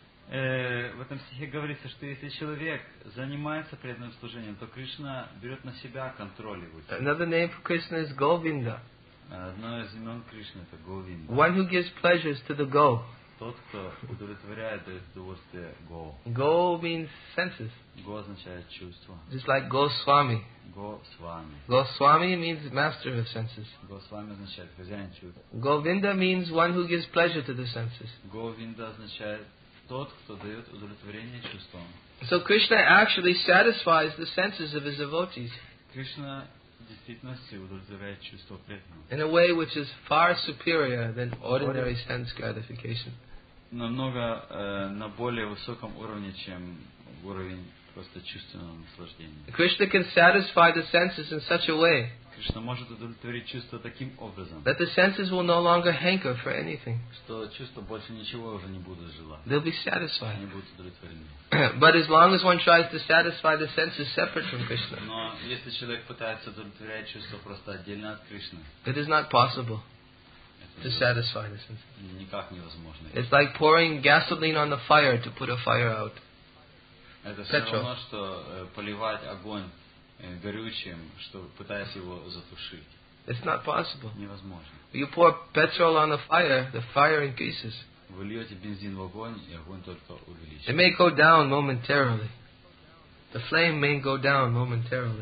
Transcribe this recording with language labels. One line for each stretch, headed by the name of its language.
Russian: В этом стихе говорится, что если человек занимается преданным служением, то Кришна берет на себя контроль его.
English: Another name for Krishna is Govinda.
Russian: Одно из имен Кришны — это Говинда.
English: One who gives pleasures to the Go.
Russian: Тот, кто удовлетворяет, дает удовольствие Go.
English: Go means senses.
Russian: Go означает чувство.
English: Just like Goswami. Goswami. Goswami means master of senses.
Russian: Goswami означает хозяин чувств.
English: Govinda means one who gives pleasure to the senses.
Russian: Govinda означает тот, кто дает удовлетворение чувствам.
English: So Krishna actually satisfies the senses of his devotees.
Russian: Кришна действительности удовлетворяет чувство преданного.
English: In a way which is far superior than ordinary sense gratification.
Russian: Намного на более высоком уровне, чем уровень просто чувственного наслаждения.
English: Krishna can satisfy the senses in such a way.
Russian: Кришна может удовлетворить чувство таким образом.
English: That the senses will no longer hanker for anything.
Russian: Что чувства больше ничего уже не будут желать.
English: They'll be satisfied.
Russian: Они будут удовлетворены.
English: But as long as one tries to satisfy the senses separate from Krishna.
Russian: Но если человек пытается удовлетворять чувство просто отдельно от Кришны.
English: It is not possible to satisfy the senses.
Russian: Никак невозможно.
English: It's like pouring gasoline on the fire to put a fire out.
Russian: Это все равно, что поливать огонь горючим, что пытаясь его затушить.
English: It's not possible.
Russian: Невозможно.
English: You pour petrol on the fire increases.
Russian: Вы льете бензин в огонь, и огонь только увеличивается.
English: It may go down momentarily. The flame may go down momentarily.